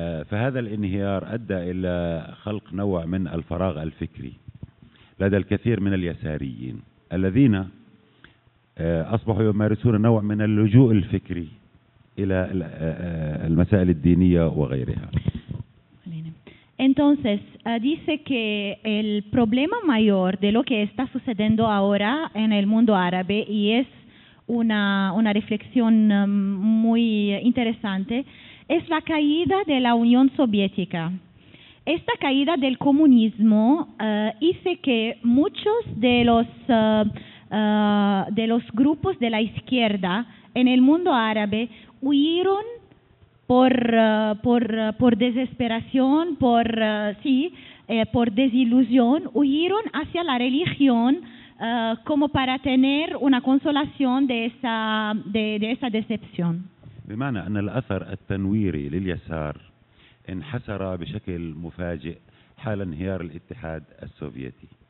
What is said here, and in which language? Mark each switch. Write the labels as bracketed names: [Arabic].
[Arabic] فهذا الانهيار أدى إلى خلق نوع من الفراغ الفكري لدى الكثير من اليساريين الذين أصبحوا يمارسون نوع من اللجوء الفكري إلى المسائل الدينية وغيرها. [Spanish] Entonces dice que el problema mayor de lo que está sucediendo ahora en el mundo árabe y es una reflexión muy interesante es la caída de la Unión Soviética. Esta caída del comunismo hizo que muchos de los grupos de la izquierda en el mundo árabe huyeron por desesperación, por desilusión, huyeron hacia la religión como para tener una consolación de esa decepción. [Arabic] بمعنى أن الأثر التنويري لليسار انحسر بشكل مفاجئ حال انهيار الاتحاد السوفيتي.